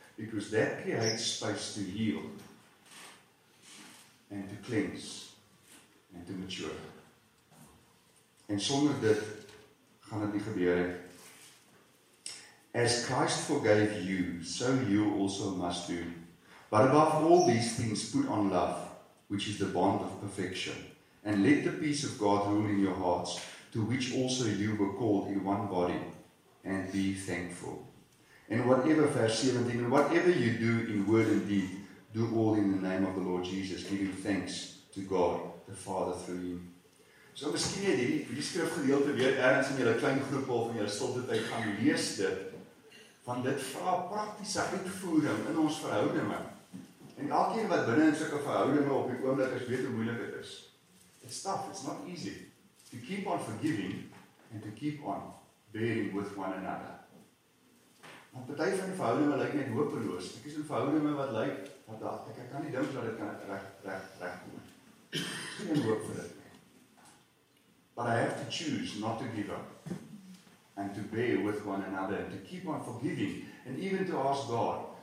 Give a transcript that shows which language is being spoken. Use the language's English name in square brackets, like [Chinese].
[English] Because that creates space to heal and to cleanse and to mature. [Afrikaans] En sonder dit gaan dit nie gebeur nie. [English] As Christ forgave you, so you also must do. But above all these things, put on love, which is the bond of perfection. And let the peace of God rule in your hearts, to which also you were called in one body, and be thankful. And whatever, verse 17, whatever you do in word and deed, do all in the name of the Lord Jesus, giving thanks to God, the Father, through you. [Afrikaans] So, miskien het hierdie skrifgedeelte weer ergens in julle klein groep of in julle stilte tyd gaan lees dit, want dit vra praktiese uitvoering in ons verhoudinge. En elkeen wat binne in sulke verhoudinge op die oomblik is, weet hoe moeilik dit is. [English] It's tough, it's not easy to keep on forgiving and to keep on bearing with one another. [Afrikaans] Want party van die verhoudinge lyk net hopeloos. Ek is in verhoudinge wat lyk wat dalk ek kan nie dink dat dit kan reg kom. Geen hoop vir dit. [English] But I have to choose not to give up and to bear with one another and to keep on forgiving and even to ask God.